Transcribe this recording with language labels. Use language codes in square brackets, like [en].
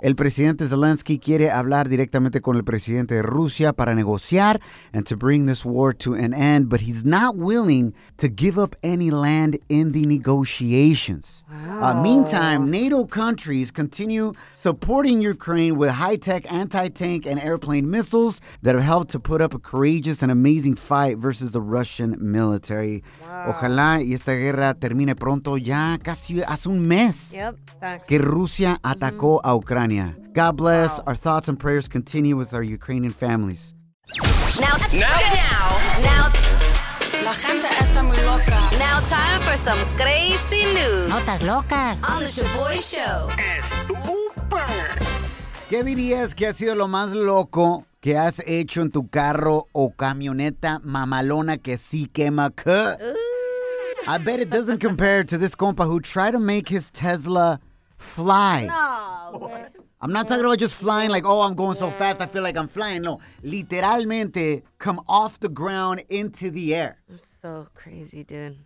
[es] El presidente Zelensky quiere hablar directamente con el presidente de Rusia para negociar [en] and to bring this war to an end, but he's not willing to give up any land in the negotiations. Wow. Meantime, NATO countries continue supporting Ukraine with high-tech anti-tank and airplane missiles that have helped to put up a courageous and amazing fight versus the Russian military. Wow. [es] Ojalá y esta guerra termine pronto, ya casi hace un mes que Rusia atacó a Ucrania. [en] God bless. Wow. Our thoughts and prayers continue with our Ukrainian families. Now. [es] La gente está muy loca. [en] Now time for some crazy news. [es] Notas locas. [en] On the Shaboy Show. [es] ¿Qué dirías que ha sido lo más loco que has hecho en tu carro o camioneta mamalona que sí quema? [en] I bet it doesn't compare to this compa who tried to make his Tesla fly. [es] No, [en] I'm not talking about just flying like, oh, I'm going so fast, I feel like I'm flying. No, [es] literalmente [en] come off the ground into the air. That's so crazy, dude.